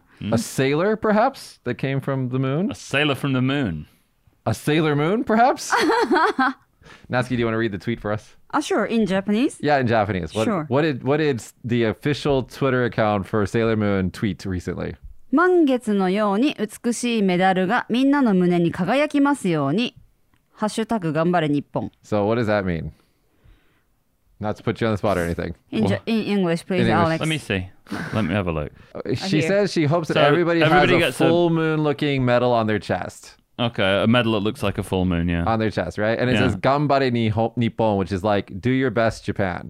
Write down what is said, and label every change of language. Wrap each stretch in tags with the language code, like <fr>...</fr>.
<en>A sailor, perhaps, that came from the moon. A sailor from the moon. A sailor moon, perhaps? Natsuki, do you want to read the tweet for us? Sure, in Japanese. Yeah, in Japanese. Sure. What did the official Twitter account for Sailor Moon tweet recently?</en> <ja>満月のように美しいメダルがみんなの胸に輝きますようにハッシュタグ頑張れ日本。</ja> <en>So what does that mean? Not to put you on the spot or anything. In English, please, in English. Alex. Let me see. Let me have a look. She says she hopes that everybody has a full moon looking medal on their chest. Okay, a medal that looks like a full moon, yeah. On their chest, right? And it says</en> <ja>頑張れ日本,</ja> <en>which is like, do your best, Japan.</en>